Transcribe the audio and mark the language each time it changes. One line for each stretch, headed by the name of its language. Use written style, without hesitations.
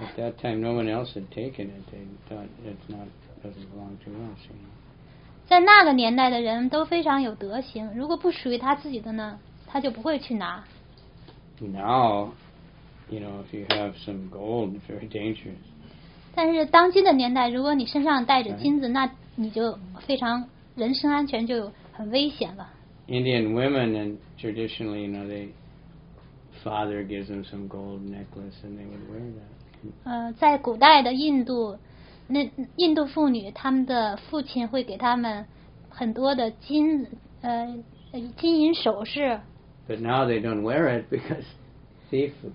English: At that time, no one else had taken it. They thought it's not doesn't belong to us.
Chinese: 在那个年代的人都非常有德行，如果不属于他自己的呢，他就不会去拿。
English: Now, you know, if you have some gold, it's very dangerous.
Chinese: 但是当今的年代，如果你身上带着金子，那你就非常人身安全就很危险了。
English: Indian women and traditionally, you know, they father gives them some gold necklace and they would wear that.
Chinese: 在古代的印度，那印度妇女他们的父亲会给他们很多的金银首饰。
English: But now they don't wear it because thief.